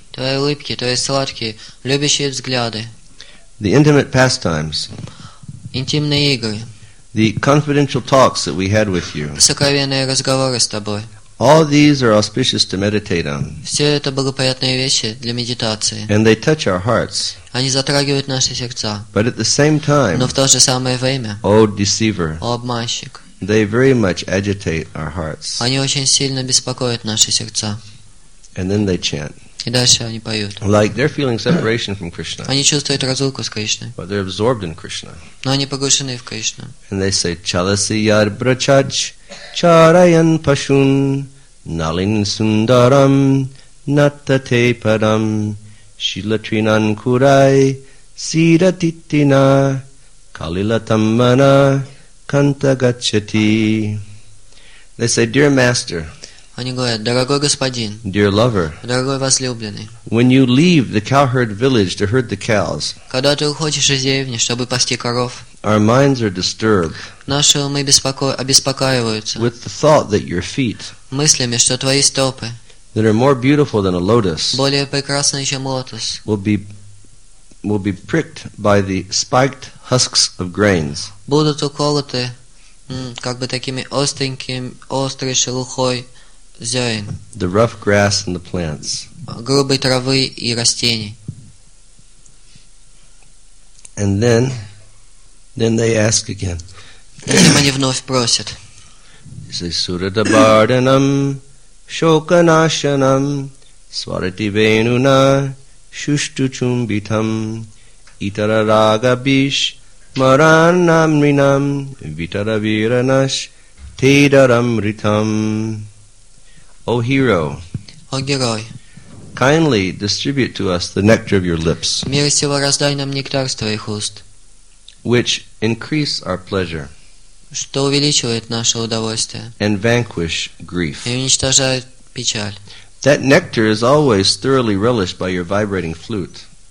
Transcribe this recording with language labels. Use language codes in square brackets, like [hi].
[ru] Твои улыбки, твои сладкие, любящие взгляды. [en] The intimate pastimes. [ru] Интимные игры. [en] The confidential talks that we had with you. [ru] Сокровенные разговоры с тобой. [en] All these are auspicious to meditate on. [ru] Все это благоприятные вещи для медитации. [en] And they touch our hearts. [ru] Они затрагивают наши сердца. [en] But at the same time, [ru] но в то же самое время, [en] о deceiver, [ru] о обманщик, [en] they very much agitate our hearts. [ru] Они очень сильно беспокоят наши сердца. [en] And then they chant. [ru] И дальше они поют. [en] Like they're feeling separation from Krishna. [ru] Они чувствуют разлуку с Кришной. [en] But they're absorbed in Krishna. [ru] Но они погружены в Кришну. [en] And they say, [sa] Chalasi yad brachaj, charayan pashun, nalin sundaram, natate padam, shilatrinan kurai, sidatitina, kalilatamana, kantagachati. [en] They say, Dear Master, [ru] они говорят, дорогой господин, [en] dear lover, [ru] дорогой возлюбленный, [en] when you leave the cowherd village to herd the cows, [ru] когда ты уходишь из деревни, чтобы пасти коров, [en] our minds are disturbed, [ru] наши умы обеспокаиваются, [en] with the thought that your feet, [ru] мыслями, что твои стопы, [en] that are more beautiful than a lotus, [ru] более прекрасные, чем лотос, [en] will be pricked by the spiked husks of grains, [ru] будут уколоты, как бы такими остреньким, острой шелухой. [en] The rough grass and the plants. [ru] Грубые травы и растения. [en] And then they ask again. [ru] Затем они вновь просят. [sa] Сурадабарданам шоканашанам сварати венуна шуштучумбитам итарарагабиш маранам ринам витаравиранаш тедарам ритам. [en] O hero, [ru] о герой, [en] kindly distribute to us the nectar of your lips, [ru] милостиво раздай нам нектар с твоих уст, [en] which increase our pleasure, [ru] что увеличивает наше удовольствие, [en] and vanquish grief, [ru] и уничтожает печаль. [en] That nectar is always thoroughly relished by your vibrating flute.